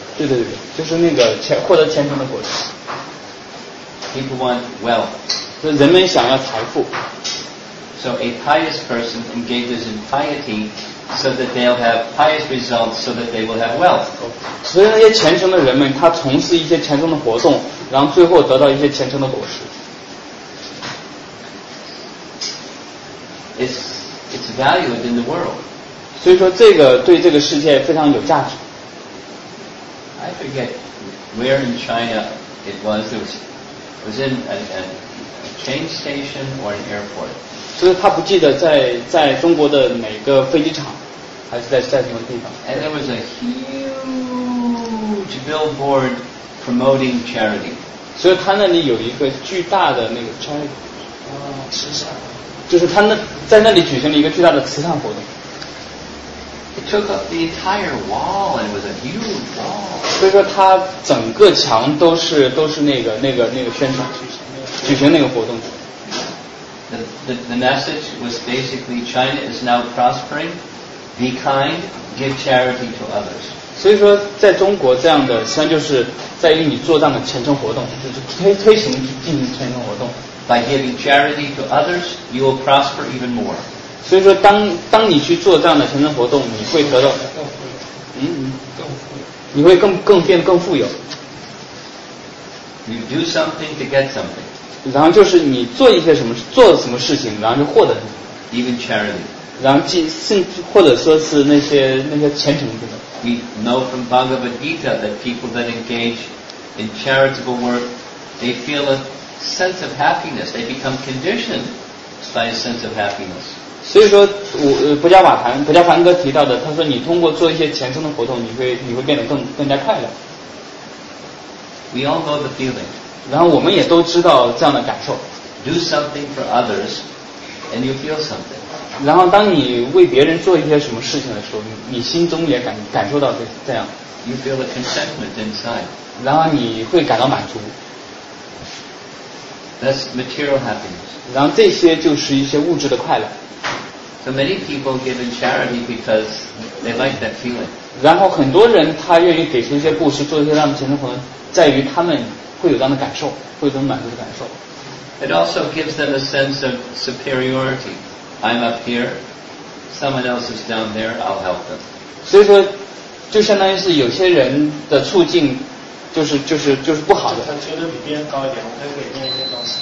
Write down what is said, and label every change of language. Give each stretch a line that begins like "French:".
Chinese: 对对对，就是那个获得虔诚的果实。
English: People want wealth.
Chinese: 就人们想要财富。
English: So a pious person engages in piety so that they'll have pious results so that they will have wealth.
Chinese: 所以那些虔诚的人们，他从事一些虔诚的活动，然后最后得到一些虔诚的果实。
English: It's valued in the world.
Chinese: 所以说这个对这个世界非常有价值。
English: I forget where in China it was. It was in a train station or an airport.
Chinese: 所以他不记得在中国的哪个飞机场，还是在什么地方。
English: And there was a huge billboard promoting charity.
Chinese: 所以他那里有一个巨大的那个charity，慈善。就是他那在那里举行了一个巨大的慈善活动。
English: It took up the entire wall, and it was a huge wall.
Chinese: 所以说，它整个墙都是那个宣传，举行那个活动。
English: The message was basically China is now prospering, be kind, give charity to others.
Chinese: 所以说，在中国这样的实际上就是在于你做这样的虔诚活动，就是推行进行虔诚活动。
English: By giving charity to others, you will prosper even more.
Chinese: 所以说当你去做这样的虔诚活动，你会得到更富有，你会更变得更富有。
English: You do something to get something.
Chinese: 然后就是你做一些什么，做了什么事情，然后就获得
English: even charity.
Chinese: 然后或者说是那些虔诚的。
English: We know from Bhagavad Gita that people that engage in charitable work, they feel a sense of happiness. They become conditioned by a sense of happiness.
Chinese: 所以说，布加凡哥提到的，他说你通过做一些虔诚的活动，你会变得更加快乐。
English: We all know the feeling.
Chinese: 然后我们也都知道这样的感受。
English: Do something for others, and you feel something.
Chinese: 然后当你为别人做一些什么事情的时候，你心中也感受到这样。
English: You feel a contentment inside.
Chinese: 然后你会感到满足。
English: That's material happiness.
Chinese: 然后这些就是一些物质的快乐。
English: So many people give in charity because they like that feeling.
Chinese: 然后很多人他愿意给出一些布施，做一些让他们虔诚活动，在于他们会有这样的感受，会有这种满足的感受。
English: It also gives them a sense of superiority. I'm up here, someone else is down there, I'll help them.
Chinese: 所以说就相当于是有些人的处境就是不好的。他觉得比别人高一点，我可以给别人一些东西。